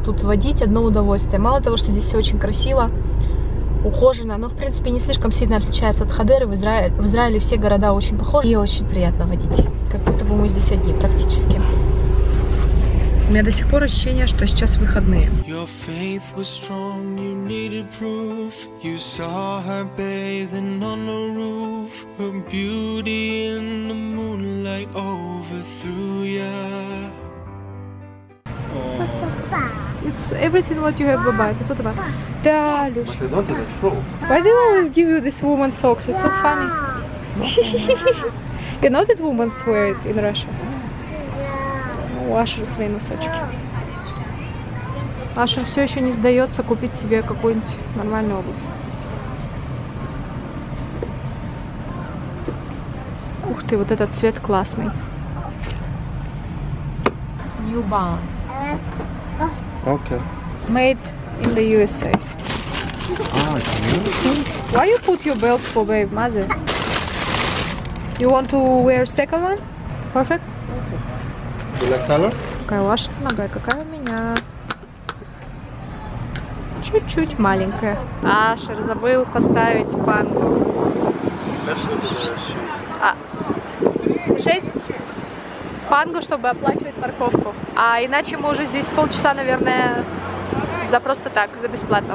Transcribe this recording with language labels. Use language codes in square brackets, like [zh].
[ru] Тут водить одно удовольствие. Мало того, что здесь все очень красиво, ухожено, но, в принципе, не слишком сильно отличается от Хадеры. В Израиле все города очень похожи, и очень приятно водить. Как будто бы мы здесь одни, практически. У меня до сих пор ощущение, что сейчас выходные. [en] Your faith was strong, you needed proof. You saw her bathing on the roof. Her beauty in the moonlight overthrew you. It's everything what you have, Baba. [ru] Это тут Баба. Да, Люша. [en] Why do I always give you this woman socks? It's so funny. You know that women wear it in Russia? Yeah. [ru] Ашер свои носочки. Ашер все еще не сдается купить себе какую-нибудь нормальную обувь. Ух ты, вот этот цвет классный. [en] New Balance. Okay. Made in the USA. Why you put your belt for babe, Mazi? You want to wear second one? Perfect. Do you like color? [ru] Какая ваша нога, какая у меня. Чуть-чуть маленькая. Ашер забыл поставить банку. Пангу, чтобы оплачивать парковку. А иначе мы уже здесь полчаса, наверное, за просто так, за бесплатно.